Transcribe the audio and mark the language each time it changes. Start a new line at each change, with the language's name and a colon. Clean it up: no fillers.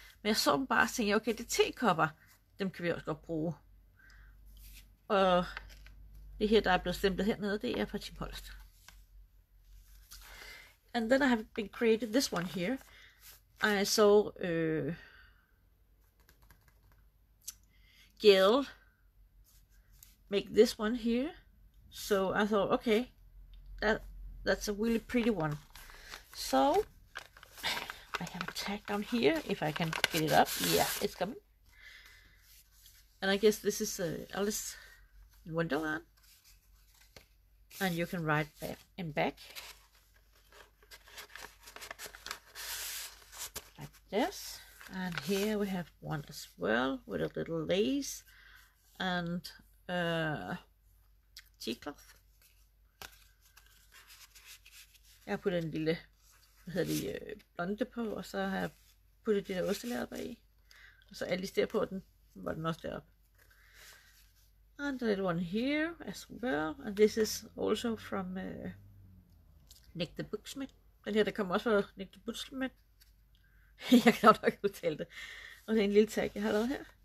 Danish: Men jeg så dem bare og tænkte, okay, det er tekopper. Dem kan vi også godt bruge. Og det her, der er blevet stemplet hernede, det er fra Tim Holst.
English: And then I have been created this one here. I saw Gail make this one here. So I thought, okay, that's a really pretty one. So I have a tag down here, if I can get it up. Yeah, it's coming. And I guess this is Alice in Wonderland. And you can write back and back. Like this. And here we have one as well with a little lace and tea cloth.
Danish: Jeg har puttet en lille, hvad hedder det, blonde på, og så har jeg puttet det der ostelæder bag i. Og så Alice der på den, var den også deroppe.
English: And the little one here as well, and this is also from Nick the Booksmith.
Danish: Den her, der kommer også fra Nick the Booksmith. Jeg kan nok ikke udtale det. Og det er en lille tag, jeg har lavet her.